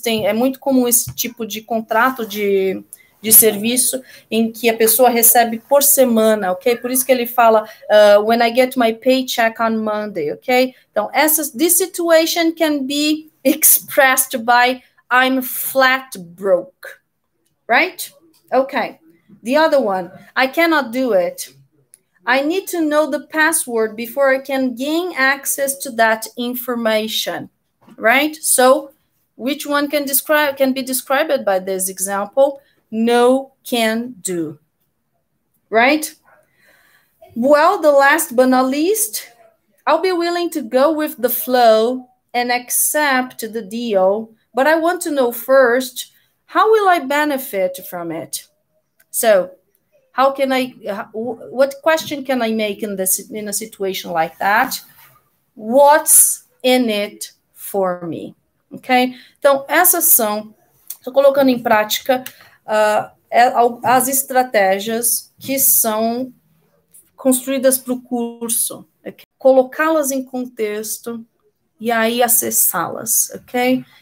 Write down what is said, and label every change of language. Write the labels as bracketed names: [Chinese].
[Portuguese] É muito comum esse tipo de contrato de serviço em que a pessoa recebe por semana, ok? Por isso que ele fala, [English] when I get my paycheck on Monday, ok? Então, this situation can be expressed by I'm flat broke, right? Okay, the other one, I cannot do it. I need to know the password before I can gain access to that information, right? So, which one can be described by this example? No, can do, right? Well, the last but not least, I'll be willing to go with the flow and accept the deal, but I want to know first, how will I benefit from it? So, what question can I make in a situation like that? What's in it for me? Okay? [Portuguese] Então, essas são, estou colocando em prática as estratégias que são construídas para o curso. Okay? Colocá-las em contexto e aí acessá-las, ok?